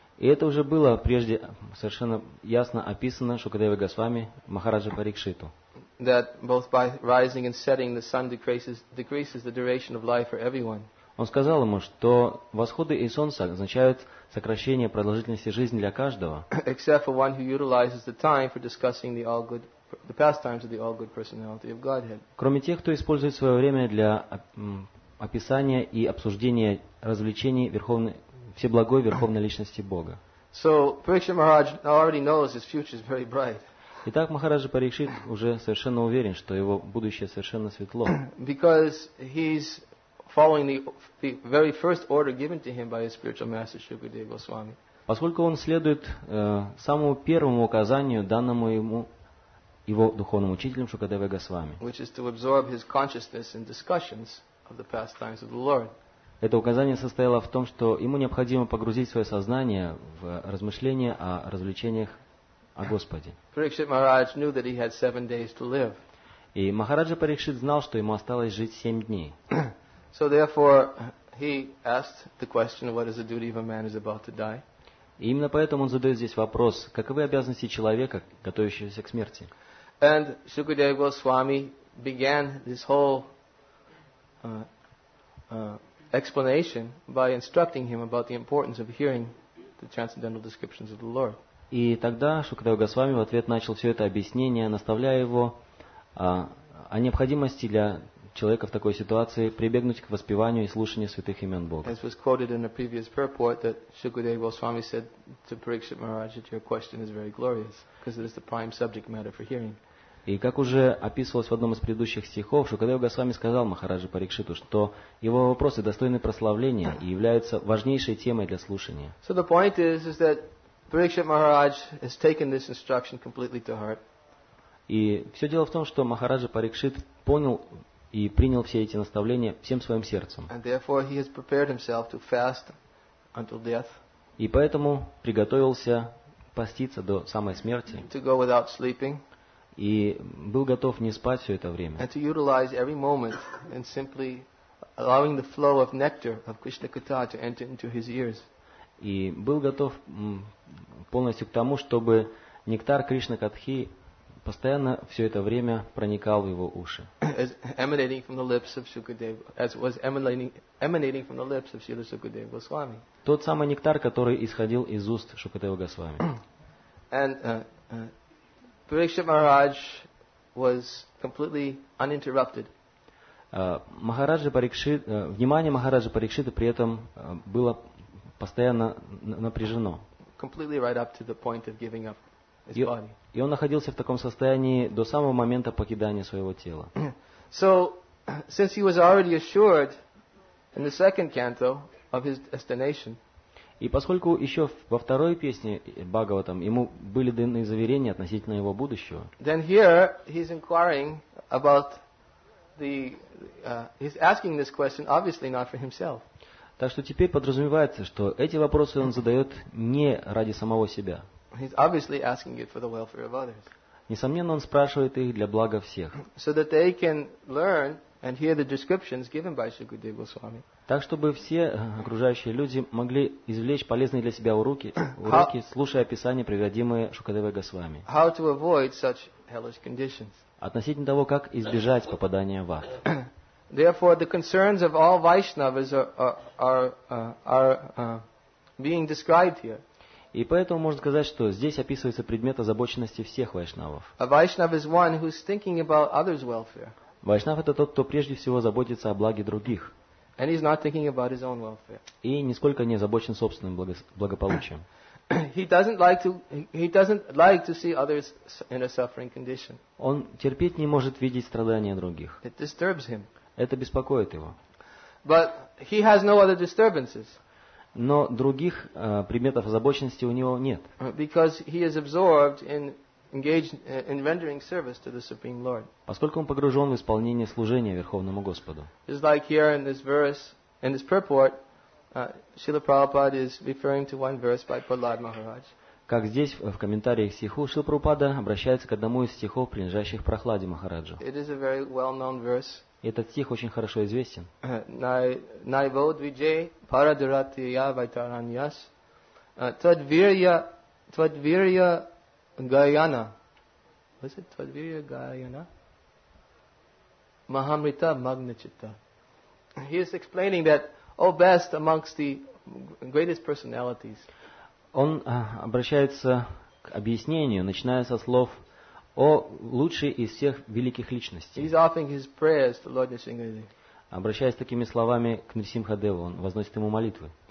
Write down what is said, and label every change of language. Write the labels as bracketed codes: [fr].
[ru] И это уже было прежде совершенно ясно описано Шукадевой Госвами Махараджа Парикшиту. [en] That both by rising and setting the sun decreases the duration of life for everyone. [ru] Он сказал ему, что восходы и солнце означают сокращение продолжительности жизни для каждого. [en] Except for one who utilizes the time for discussing the pastimes of the all good personality of Godhead. [ru] Кроме тех, кто использует свое время для описания и обсуждения развлечений Всеблагой Верховной Личности Бога. [en] So, Parikshit Maharaj already knows his future is very bright. [ru] Итак, Махараджа Парикшит уже совершенно уверен, что его будущее совершенно светло. [en] Because he's following the very first order given to him by his spiritual master Shukadeva Goswami. [ru] Поскольку он следует самому первому указанию, данному ему его духовным учителем Шукадевой Госвами. [en] Which is to absorb his consciousness in discussions of the pastimes of the Lord. [ru] Это указание состояло в том, что ему необходимо погрузить свое сознание в размышления о развлечениях о Господе. [en] Parikshit Maharaj knew that he had 7 days to live. [ru] И Махараджа Парикшит знал, что ему осталось жить 7 дней. [en] So therefore, he asked the question, what is the duty of a man who's about to die? [ru] И именно поэтому он задает здесь вопрос, каковы обязанности человека, готовящегося к смерти? [en] And Shukadeva Goswami began this whole explanation by instructing him about the importance of hearing the transcendental descriptions of the Lord. [ru] И тогда Шукадева Госвами в ответ начал все это объяснение, наставляя его о необходимости для человека в такой ситуации прибегнуть к воспеванию и слушанию святых имен Бога. [en] As was quoted in a previous purport, that Shukadeva Goswami said to Parikshit Maharaj that your question is very glorious because it is the prime subject matter for hearing. [ru] И как уже описывалось в одном из предыдущих стихов, Шукадева Госвами сказал Махараджа Парикшиту, что его вопросы достойны прославления и являются важнейшей темой для слушания. [en] So the point is that Parikshit Maharaj has taken this instruction completely to heart. [ru] И все дело в том, что Махараджа Парикшит понял и принял все эти наставления всем своим сердцем. [en] And therefore he has prepared himself to fast until death. [ru] И поэтому приготовился поститься до самой смерти. [en] To go without sleeping. [ru] И был готов не спать все это время. [en] And to utilize every moment and simply allowing the flow of nectar of Krishna Katha to enter into his ears. [ru] И был готов полностью к тому, чтобы нектар Кришна Катхи постоянно все это время проникал в его уши. [en] As emanating from the lips of Shukadeva, as was emanating from the lips of Srila Shukadeva Goswami. [ru] Тот самый нектар, который исходил из уст Шукадева Госвами. [en] And Parikshit Maharaj was completely uninterrupted. [ru] Внимание Махараджа Парикшита при этом было постоянно напряжено. [en] Completely right up to the point of giving up his body. [ru] И он находился в таком состоянии до самого момента покидания своего тела. [en] So, since he was already assured in the second canto of his destination. [ru] И поскольку еще во второй песне Бхагаватам ему были даны заверения относительно его будущего. [en] Then here he's inquiring about he's asking this question obviously not for himself. [ru] Так что теперь подразумевается, что эти вопросы он задает не ради самого себя. [en] He's obviously asking it for the welfare of others. [ru] Несомненно, он спрашивает их для блага всех. [en] So that they can learn and hear the descriptions given by Sukadeva Goswami. [ru] Так, чтобы все окружающие люди могли извлечь полезные для себя уроки, уроки, слушая описания, приводимые Шукадевой Госвами. [en] How to avoid such hellish conditions. [ru] Относительно того, как избежать попадания в ад. [en] Therefore, the concerns of all Vaishnavas are being described here. [ru] И поэтому можно сказать, что здесь описывается предмет озабоченности всех вайшнавов. [en] A Vaishnava is one who is thinking about others' welfare. [ru] Вайшнав — это тот, кто прежде всего заботится о благе других. [en] And he's not thinking about his own welfare. [ru] И нисколько не озабочен собственным благополучием. [en] He doesn't like to see others in a suffering condition. [ru] Он терпеть не может видеть страдания других. [en] It disturbs him. [ru] Это беспокоит его. [en] But he has no other disturbances. [ru] Но других предметов озабоченности у него нет. [en] Because he is absorbed in engaged in rendering service to the Supreme Lord. [ru] Поскольку он погружен в исполнение служения Верховному Господу. [en] It's like here in this verse, in this purport, Srila Prabhupada is referring to one verse by Prahlad Maharaj. [ru] Как здесь, в комментариях к стиху, Шрила Прабхупада обращается к одному из стихов, принадлежащих Прахладе Махараджу. [en] It is a very well-known verse. [ru] Этот стих очень хорошо известен. [sa] Найводвиджей парадуратия вайтараньяс твадвирья гаяна. [en] Was it [sa] твадвирья гаяна? Махамрита магначитта. [en] He is explaining that, O best amongst the greatest personalities. [ru] Он обращается к объяснению, начиная со слов «О лучший из всех великих личностей». Обращаясь такими словами к Нрисимхадеву, он возносит ему молитвы.